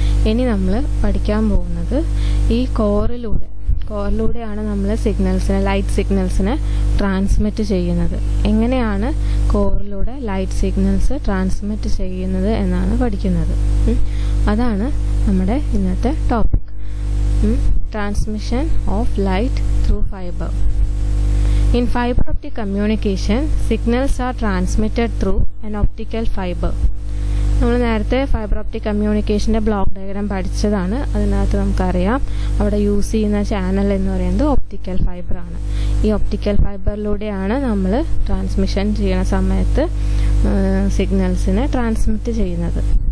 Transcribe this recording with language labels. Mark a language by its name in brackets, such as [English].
[Malayalam] ഇനി നമ്മൾ പഠിക്കാൻ പോകുന്നത് ഈ കോറിലൂടെയാണ് നമ്മൾ സിഗ്നൽസിനെ, ലൈറ്റ് സിഗ്നൽസിനെ ട്രാൻസ്മിറ്റ് ചെയ്യുന്നത്. എങ്ങനെയാണ് കോറിലൂടെ ലൈറ്റ് സിഗ്നൽസ് ട്രാൻസ്മിറ്റ് ചെയ്യുന്നത് എന്നാണ് പഠിക്കുന്നത്. അതാണ് നമ്മുടെ ഇന്നത്തെ topic, [English] Transmission of light through fiber. In fiber optic communication, signals are transmitted through an optical fiber. [Malayalam] നമ്മൾ നേരത്തെ ഫൈബർ ഒപ്റ്റിക് കമ്മ്യൂണിക്കേഷന്റെ ബ്ലോക്ക് ഡയഗ്രാം പഠിച്ചതാണ്. അതിനകത്ത് നമുക്കറിയാം അവിടെ യൂസ് ചെയ്യുന്ന ചാനൽ എന്ന് പറയുന്നത് ഒപ്റ്റിക്കൽ ഫൈബർ ആണ്. ഈ ഒപ്റ്റിക്കൽ ഫൈബറിലൂടെയാണ് നമ്മൾ ട്രാൻസ്മിഷൻ ചെയ്യുന്ന സമയത്ത് സിഗ്നൽസിനെ ട്രാൻസ്മിറ്റ് ചെയ്യുന്നത്.